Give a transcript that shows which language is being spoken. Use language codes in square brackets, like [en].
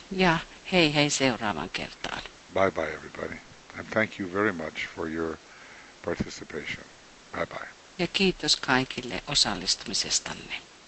[fi] Ja hei hei seuraavan kertaan. [en] Bye-bye, everybody. And thank you very much for your participation. Bye-bye. [fi] Ja kiitos kaikille osallistumisestanne.